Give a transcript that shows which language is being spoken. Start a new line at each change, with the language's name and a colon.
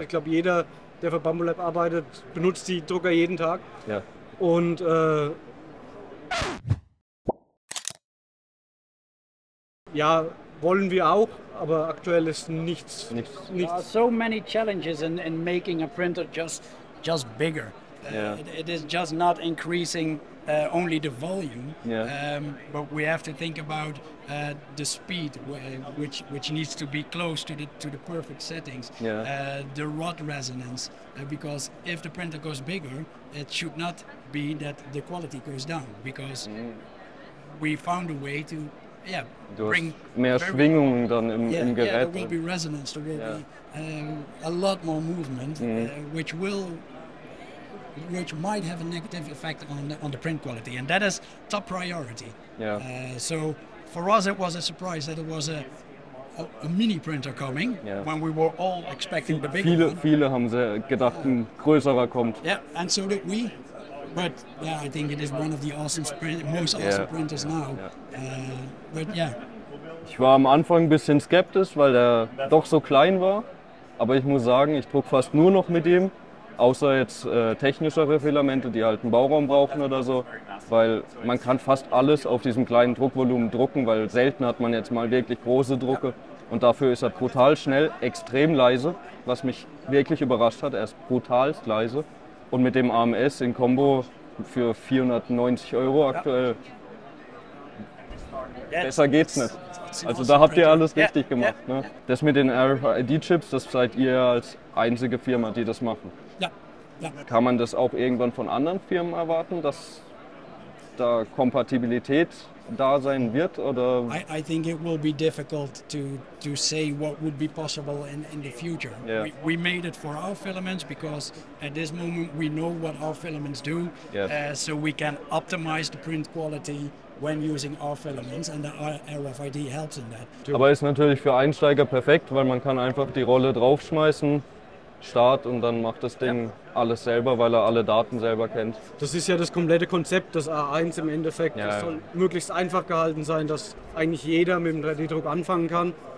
German: Ich glaube, jeder, der für Bambulab arbeitet, benutzt die Drucker jeden Tag. Ja. Und ja, wollen wir auch, aber aktuell ist nichts.
English: There are so many challenges in making a printer just bigger. It is just not increasing only the volume, but we have to think about the speed, which needs to be close to the perfect settings, the rod resonance, because if the printer goes bigger, it should not be that the quality goes down, because we found a way to bring
German: mehr Schwingungen dann im Gerät.
English: There will be resonance, there will be a lot more movement, which might have a negative effect on the print quality, and that is top priority. Yeah. So for us it was a surprise that it was a a mini printer coming yeah. when we were all expecting the big
German: viele,
English: one.
German: Viele haben gedacht, ein größerer kommt.
English: Yeah, and so did we. But yeah, I think it is one of the most awesome yeah. printers now. Yeah. But yeah.
German: Ich war am Anfang ein bisschen skeptisch, weil der doch so klein war. Aber ich muss sagen, ich druck fast nur noch mit dem. Außer jetzt technischere Filamente, die halt einen Bauraum brauchen oder so. Weil man kann fast alles auf diesem kleinen Druckvolumen drucken, weil selten hat man jetzt mal wirklich große Drucke. Und dafür ist er brutal schnell, extrem leise, was mich wirklich überrascht hat. Er ist brutal leise. Und mit dem AMS in Kombo für 490 Euro aktuell, besser geht's nicht. Also da habt ihr alles richtig gemacht. Ne? Das mit den RFID-Chips, das seid ihr als einzige Firma, die das machen. Ja. Ja. Kann man das auch irgendwann von anderen Firmen erwarten, dass da Kompatibilität da sein wird? Oder?
English: I think it will be difficult to say what would be possible in the future. Yeah. We made it for our filaments because at this moment we know what our filaments do. Yes. So we can optimize the print quality when using our filaments and the RFID helps in that.
German: Aber ist natürlich für Einsteiger perfekt, weil man kann einfach die Rolle draufschmeißen. Start und dann macht das Ding alles selber, weil er alle Daten selber kennt. Das ist ja das komplette Konzept, das A1 im Endeffekt. Ja, das ja. soll möglichst einfach gehalten sein, dass eigentlich jeder mit dem 3D-Druck anfangen kann.